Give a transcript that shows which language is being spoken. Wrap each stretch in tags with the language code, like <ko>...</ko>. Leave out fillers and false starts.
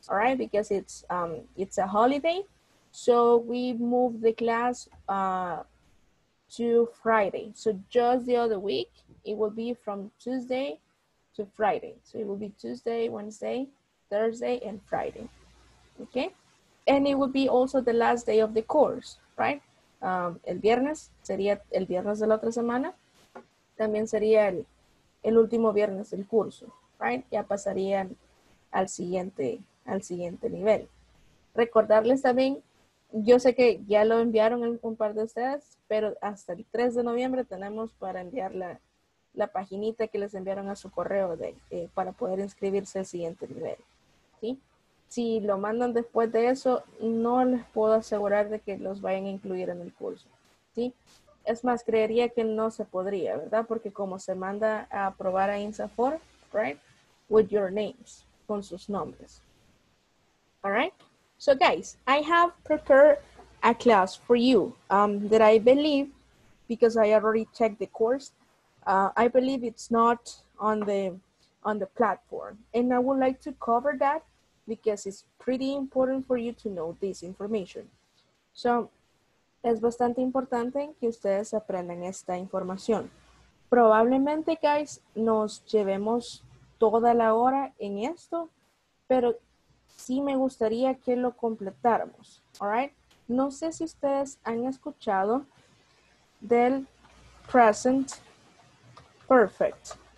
<en>All right. Because it's a holiday. So we move the class to Friday. So just the other week, it will be from Tuesday to Friday. So it will be Tuesday, Wednesday, Thursday, and Friday, okay? And it will be also the last day of the course, right?</en> <es>El viernes, sería el viernes de la otra semana. También sería el último viernes del curso,</es> <en>right?</en> <es>Ya pasarían al siguiente nivel. Recordarles también, yo sé que ya lo enviaron un par de ustedes, pero hasta el 3 de noviembre tenemos para enviar la paginita que les enviaron a su correo para poder inscribirse al siguiente nivel, ¿sí? Si lo mandan después de eso, no les puedo asegurar de que los vayan a incluir en el curso, ¿sí? Es más, creería que no se podría, ¿verdad? Porque como se manda a aprobar a INSAFOR,</es> <en>right? With your names,</en> <es>con sus nombres.</es> <en>All right? So guys, I have prepared a class for you that I believe, because I already checked the course, I believe it's not on the platform. And I would like to cover that because it's pretty important for you to know this information.</en> <es>So, es bastante importante que ustedes aprendan esta información. Probablemente, guys, nos llevemos toda la hora en esto, pero sí me gustaría que lo completáramos,</es> <en>all right?</en> <es>No sé si ustedes han escuchado del present perfect.</es>